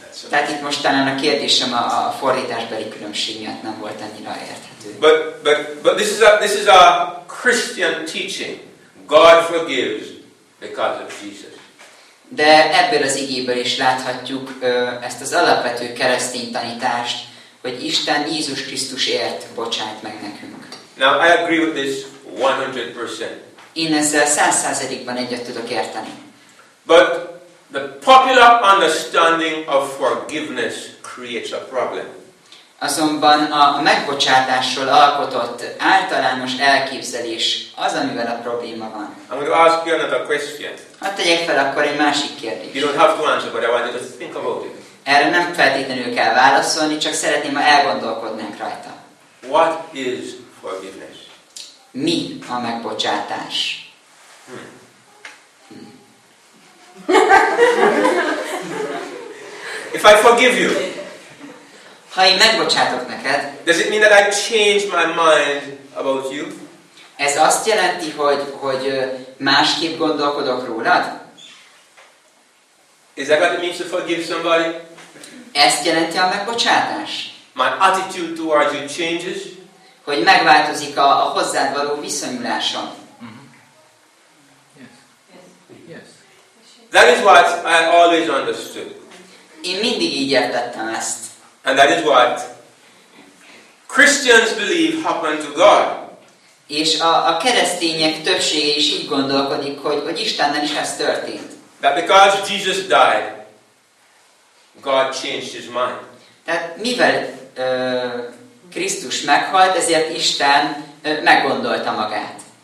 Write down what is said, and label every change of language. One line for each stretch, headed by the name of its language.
Hungarian: Tehát itt mostanában a kérdésem a fordításbeli különbség miatt nem volt annyira érthető.
English: But this is a Christian teaching. God forgives because of Jesus.
Hungarian: De ebből az igéből is láthatjuk ezt az alapvető keresztény tanítást, hogy Isten Jézus Krisztusért bocsájt meg nekünk.
English: Now I agree with this 100%.
Hungarian: Én ezzel 100%-ban egyet tudok érteni.
English: But the popular understanding of forgiveness creates a problem.
Hungarian: Azonban a megbocsátásról alkotott általános elképzelés az, amivel a probléma van.
English: I'm going to ask you another question.
Hungarian: Hát tegyek fel akkor egy másik kérdést.
English: You don't have to answer, but I want you to think about it.
Hungarian: Erre nem feltétlenül kell válaszolni, csak szeretném, ha elgondolkodnánk rajta.
English: What is forgiveness?
Hungarian: Mi a megbocsátás?
English: If I forgive you,
Hungarian: ha én megbocsátok neked,
English: does it mean that I change my mind about you?
Hungarian: Ez azt jelenti, hogy másképp gondolkodok rólad?
English: Is that what it means to forgive somebody?
Hungarian: Ezt jelenti a megbocsátás?
English: My attitude towards you changes.
Hungarian: Hogy megváltozik a hozzád való viszonyulásom.
English: Yes. That is what I always understood.
Hungarian: Én mindig így értettem ezt.
English: And that is what Christians believe happened to God.
Hungarian: És a keresztények többsége is így gondolkodik, hogy Istennel is ez történt.
English: That because Jesus died, God changed his mind.
Hungarian: Tehát mivel Krisztus meghalt, ezért Isten meggondolta magát.